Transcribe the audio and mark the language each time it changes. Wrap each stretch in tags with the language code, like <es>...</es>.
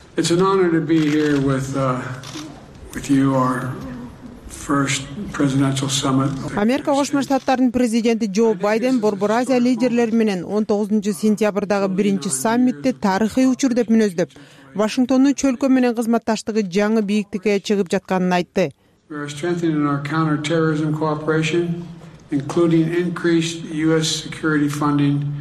<en>It's an honor to be here with you, our first presidential summit.</en> <ky>Америка Кошмо Штаттарынын президенти Джо Байден Борбор Азия лидерлери менен 19 сентябрдагы биринчи саммитти тарыхый учур деп мүнөздөп, Вашингтондун чөлкө менен кызматташтыгы жаңы бийиктикке чыгып жатканын айтты.</ky> <en>We are strengthening our counter-terrorism cooperation, including increased US security funding.</en>